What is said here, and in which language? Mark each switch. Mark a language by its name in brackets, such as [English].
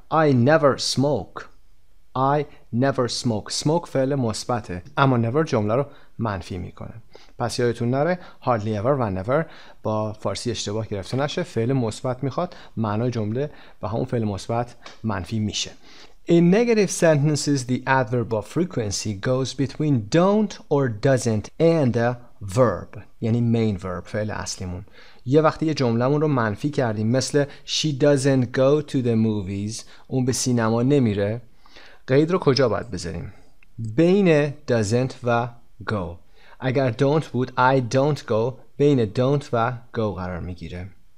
[English] I never smoke. I never smoke. [Persian] Smoke فعل مثبته، اما never جمله رو منفی میکنه. پس یادتون نره hardly ever و never با فارسی اشتباه گرفته نشه. فعل مثبت میخواد، معنای جمله و همون فعل مثبت منفی میشه. [English] In negative sentences the adverb of frequency goes between don't or doesn't and the verb [Persian] یعنی [English] main verb [Persian] فعل اصلیمون. یه وقتی یه جملهمون رو منفی کردیم مثل [English] she doesn't go to the movies، [Persian] اون به سینما نمیره، قید رو کجا باید بذاریم؟ بین doesn't و go. اگر don't بود [English] I don't go [Persian] بین don't و go قرار میگیره.